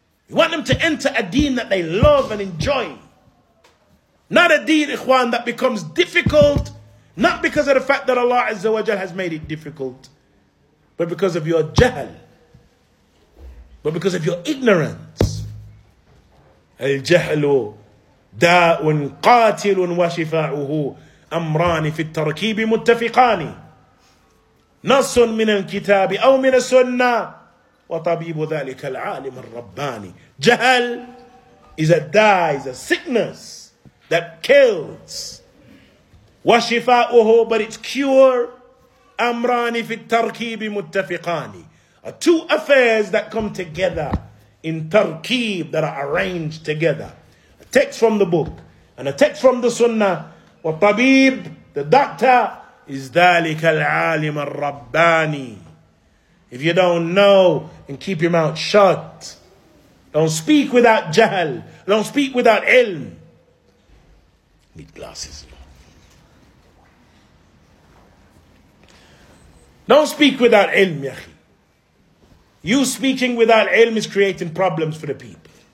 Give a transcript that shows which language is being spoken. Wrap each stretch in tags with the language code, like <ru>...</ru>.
<en>We want them to enter a deen that they love and enjoy. Not a deen, Ikhwan, that becomes difficult, not because of the fact that Allah Azza wa Jal has made it difficult, but because of your jahl. But because of your ignorance.</en> <ar>Al-jahlu. داء قاتل وشفاؤه أمران في التركيب متفقان نص من الكتاب أو من السنة وطبيب ذلك العالم الرباني.</ar> <en>جهل is a disease, a sickness that kills.</en> <ar>وشفاؤه,</ar> <en>but its cure,</en> <ar>أمران في التركيب متفقان,</ar> <en>are two affairs that come together in تركيب, that are arranged together. Text from the book and a text from the sunnah.</en> <ar>وطبيب,</ar> <en>the doctor, is</en> <ar>ذلك العالم الرباني.</ar> <en>If you don't know, then keep your mouth shut. Don't speak without jahl. Don't speak without ilm. Need glasses. Don't speak without ilm, yahi. You speaking without ilm is creating problems for the people.</en>